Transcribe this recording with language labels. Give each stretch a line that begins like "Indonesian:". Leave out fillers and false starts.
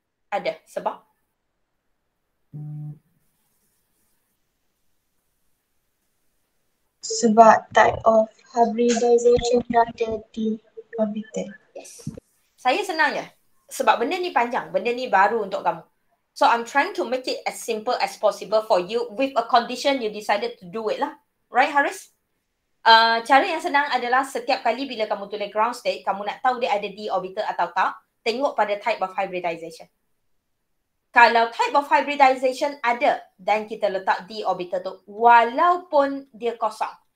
Malay: Ada. Sebab? Sebab
English: type of hybridization
Malay: ada d orbital. Yes. Saya senang ya. Sebab benda ni panjang. Benda ni baru untuk kamu.
English: So, I'm trying to make it as simple as possible for you with a condition you decided to do it lah. Right, Haris?
Malay: Cara yang senang adalah setiap kali bila kamu tulis ground state, kamu nak tahu dia ada D orbital atau tak, tengok pada type of hybridization. Kalau
English: type of hybridization
Malay: ada, then kita letak D orbital tu walaupun dia kosong.